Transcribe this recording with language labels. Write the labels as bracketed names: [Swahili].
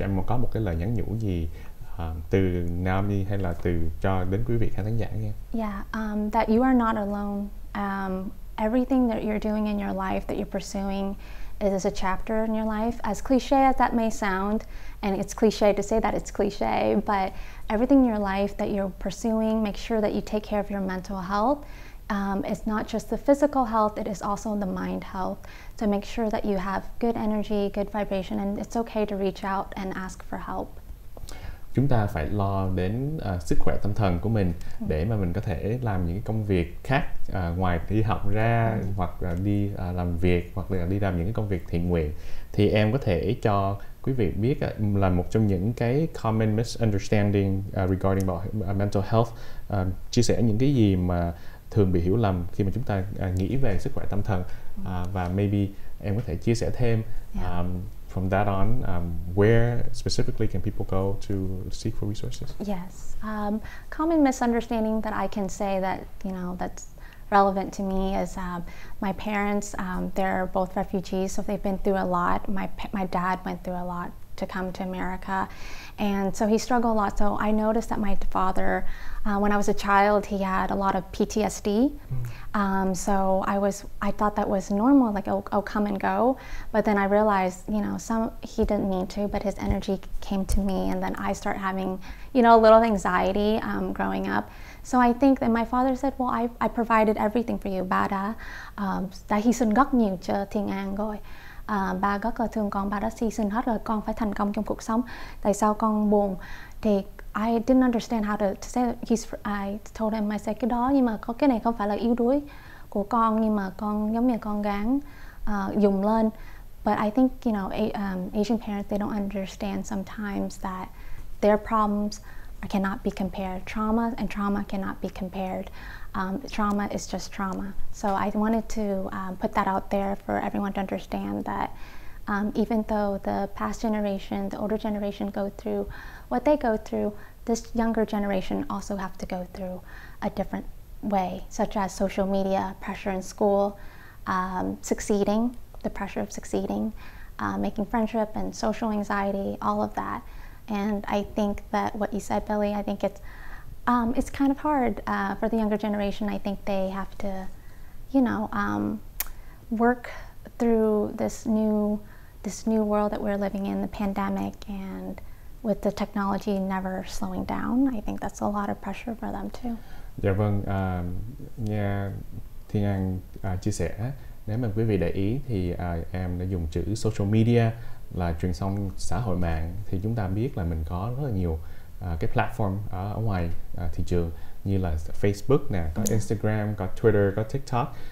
[Vietnamese] Em có một cái lời nhắn nhủ gì từ NAMI hay là từ cho đến quý vị khán giả nghe? [English] Yeah, that you are not alone. Everything that you're doing in your life that you're pursuing is a chapter in your life. As cliche as that may sound, and it's cliche to say that it's cliche, but everything in your life that you're pursuing, make sure that you take care of your mental health. It's not just the physical health, it is also the mind health. So make sure that you have good energy, good vibration, and it's okay to reach out and ask for help. [Vietnamese] Chúng ta phải lo đến sức khỏe tâm thần của mình để mà mình có thể làm những công việc khác ngoài đi học ra hoặc là đi làm việc hoặc là đi làm những công việc thiện nguyện. Thì em có thể cho quý vị biết là một trong những cái [English] common misunderstanding regarding about mental health, [Vietnamese] chia sẻ những cái gì mà thường bị hiểu lầm khi mà chúng ta nghĩ về sức khỏe tâm thần, và maybe em có thể chia sẻ thêm [English] from that on, where specifically can people go to seek for resources? Yes, common misunderstanding that I can say that, you know, that's relevant to me is my parents. They're both refugees, so they've been through a lot. My dad went through a lot to come to America, and so he struggled a lot. So I noticed that my father, when I was a child, he had a lot of PTSD. So I thought that was normal, like oh, come and go. But then I realized, you know, he didn't mean to, but his energy came to me, and then I start having, you know, a little anxiety growing up. So I think that my father said, well, I provided everything for you, [Vietnamese] ba đã đã hy sinh rất nhiều cho Thiên An rồi. Ba rất là thương con, ba đã hy sinh hết rồi, con phải thành công trong cuộc sống. Tại sao con buồn? [English] Thì I didn't understand how to say that. I told him, I said, [Vietnamese] cái đó nhưng mà có cái này không phải là yếu đuối của con, nhưng mà con giống như con gắng dùng lên. [English] But I think, you know, Asian parents, they don't understand sometimes that their problems cannot be compared. Trauma and trauma cannot be compared. Trauma is just trauma. So I wanted to put that out there for everyone to understand that even though the past generation, the older generation go through what they go through, this younger generation also have to go through a different way, such as social media, pressure in school, succeeding, the pressure of succeeding, making friendship and social anxiety, all of that. And I think that what you said, Billy, I think it's kind of hard for the younger generation. I think they have to, you know, work through this new world that we're living in, the pandemic, and with the technology never slowing down. I think that's a lot of pressure for them too. [Vietnamese] Dạ vâng, nghe Thiên An chia sẻ, nếu mà quý vị để ý thì em đã dùng chữ social media là truyền thông xã hội mạng. Thì chúng ta biết là mình có rất là nhiều cái platform ở ngoài thị trường, như là Facebook nè, có Instagram, có Twitter, có TikTok.